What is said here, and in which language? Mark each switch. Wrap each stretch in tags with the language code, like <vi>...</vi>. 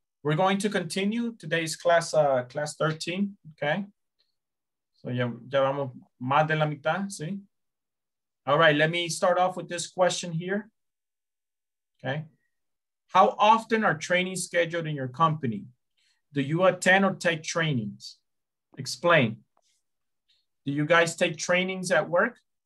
<en>We're going to continue today's class, class 13, okay?</en> <es>So ya vamos más de la mitad, ¿sí?</es> <en>All right, let me start off with this question here, okay? How often are trainings scheduled in your company? Do you attend or take trainings? Explain. Do you guys take trainings at work?</en>